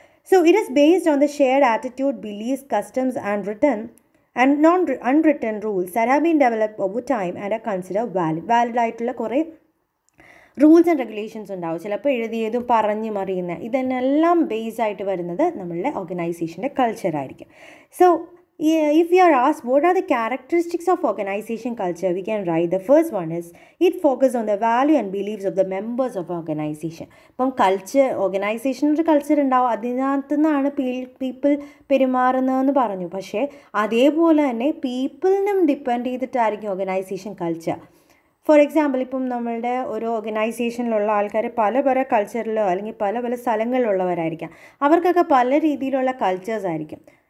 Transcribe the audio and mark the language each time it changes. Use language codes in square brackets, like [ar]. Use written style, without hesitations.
[en] so it is based on the shared attitude, beliefs, customs and written and non unwritten rules that have been developed over time and are consider valid [ml] ആയിട്ടുള്ള കുറേ rules and regulations ഉണ്ടാവും. ചിലപ്പോൾ എഴുതിയതും പറഞ്ഞു മറിയുന്ന ഇതെല്ലാം base ആയിട്ട് വരുന്നത് നമ്മളുടെ ഓർഗനൈസേഷൻ്റെ കൾച്ചറായിരിക്കും. So [en] Yeah, if you are asked what are the characteristics of organization culture, we can write the first one is it focuses on the value and beliefs of the members of organization. [ml] ഇപ്പം culture organisation ഒരു culture ഉണ്ടാവും, അതിനകത്തു നിന്നാണ് people പെരുമാറുന്നതെന്ന് പറഞ്ഞു. പക്ഷേ അതേപോലെ തന്നെ പീപ്പിളിനും depend ചെയ്തിട്ടായിരിക്കും organisation culture. For example, ഇപ്പം നമ്മളുടെ ഒരു ഓർഗനൈസേഷനിലുള്ള ആൾക്കാർ പല പല കൾച്ചറിലോ അല്ലെങ്കിൽ പല പല സ്ഥലങ്ങളിലുള്ളവരായിരിക്കാം, അവർക്കൊക്കെ പല രീതിയിലുള്ള കൾച്ചേഴ്സ് ആയിരിക്കും.